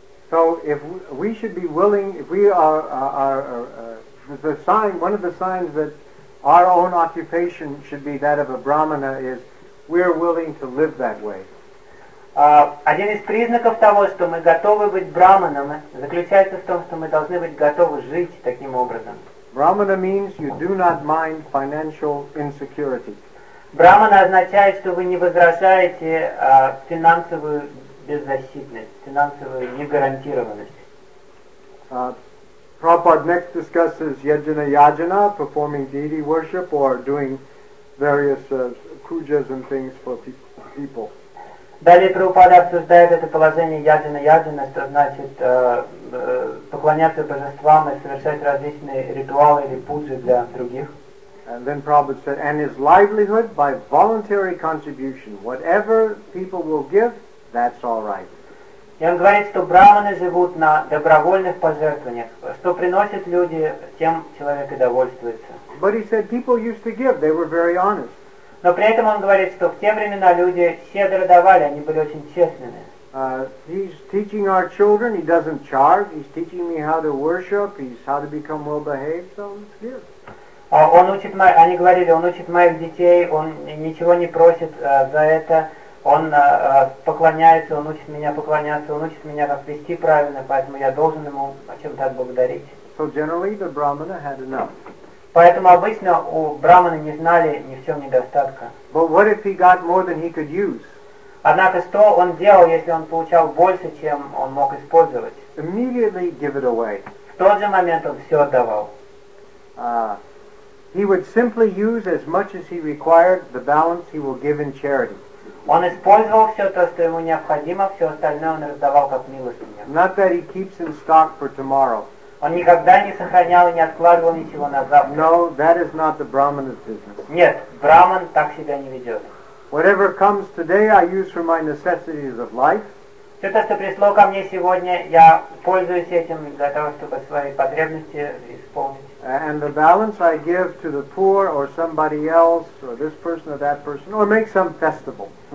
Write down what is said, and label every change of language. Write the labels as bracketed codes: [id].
[en] So if we should be willing, if we are the sign, one of the signs that our own occupation should be that of a brahmana is we are willing to live that way. [ru] Один из признаков того, что мы готовы быть брахманами, заключается в том, что мы должны быть готовы жить таким образом. [en] Brahmana means you do not mind financial insecurity. [ru] Брахмана означает, что вы не возражаете финансовую беззащитность, финансовую негарантированность. [en] Prabhupada next discusses yajana yajana, performing deity worship or doing various kujas and things for people. [ru] Далее Прабхупада обсуждает это положение яджана яджана, что значит поклоняться божествам и совершать различные ритуалы или пуджи для других. [en] And then Prabhupada said, and his livelihood by voluntary contribution, whatever people will give, that's all right. [ru] И он говорит, что брахманы живут на добровольных пожертвованиях. Что приносят люди, тем человек и довольствуется. [en] But he said people used to give, they were very honest. [ru] Но при этом он говорит, что в те времена люди щедро давали, они были очень честными. [en] He's teaching our children, he doesn't charge, he's teaching me how to worship, he's how to become well behaved, so let's give. [ru] Они говорили, он учит моих детей, он ничего не просит за это. Он поклоняется, он учит меня поклоняться, он учит меня как вести правильно, поэтому я должен ему чем-то отблагодарить. [en] So generally the brahmana had enough. [ru] Поэтому обычно у брахмана не знали ни в чем недостатка. [en] But what if he got more than he could use? [ru] Однако что он делал, если он получал больше, чем он мог использовать? [en] Immediately give it away. [ru] тот же момент он все отдавал. [en] He would simply use as much as he required, the balance he will give in charity. [ru] Он использовал все то, что ему необходимо, все остальное он раздавал как милостыню. [en] Not that he keeps in stock for tomorrow. [ru] Он никогда не сохранял и не откладывал ничего на завтра. [en] No, that is not the Brahman's business. [ru] Нет, Браман так себя не ведет. [en] Whatever comes today, I use for my necessities of life. [ru] Все то, что пришло ко мне сегодня, я пользуюсь этим для того, чтобы свои потребности исполнить. [en] And the balance I give to the poor or somebody else or this person or that person or make some festival.